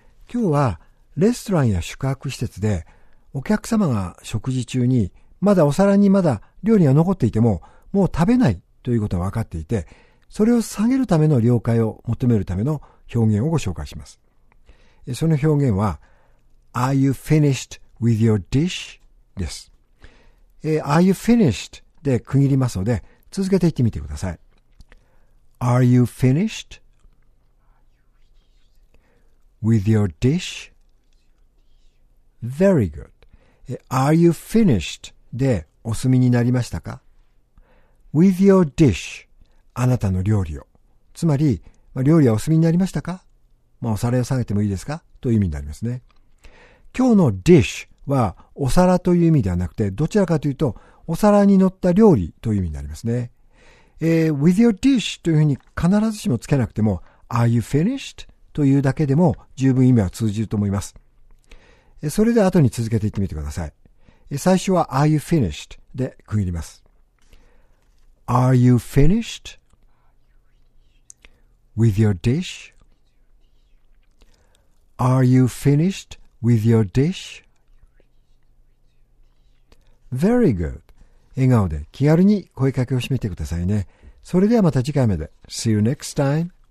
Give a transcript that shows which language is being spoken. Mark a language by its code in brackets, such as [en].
[ja] 今日はレストランや宿泊施設でお客様が食事中にまだお皿にまだ料理が残っていてももう食べないということが分かっていて、それを下げるための了解を求めるための表現をご紹介します。その表現は、 [en] Are you finished with your dish? [ja] です。 [en] Are you finished? [ja] で区切りますので、続けていってみてください。 [en] Are you finished with your dish? Very good. Are you finished? [ja] でお済みになりましたか? [en] With your dish. [ja] あなたの料理を。つまり、料理はお済みになりましたか?まあ、お皿を下げてもいいですか?という意味になりますね。今日の dish は、お皿という意味ではなくて、どちらかというと、お皿に乗った料理という意味になりますね。 [en] with your dish [ja] というふうに必ずしもつけなくても、 [en] are you finished? [ja] というだけでも十分意味は通じると思います。それで後に続けていってみてください。最初は [en] are you finished? [ja] で区切ります。 [en] Are you finished with your dish? Are you finished with your dish? Very good. [ja] 笑顔で気軽に声かけを締めてくださいね。それではまた次回まで。 [en] See you next time.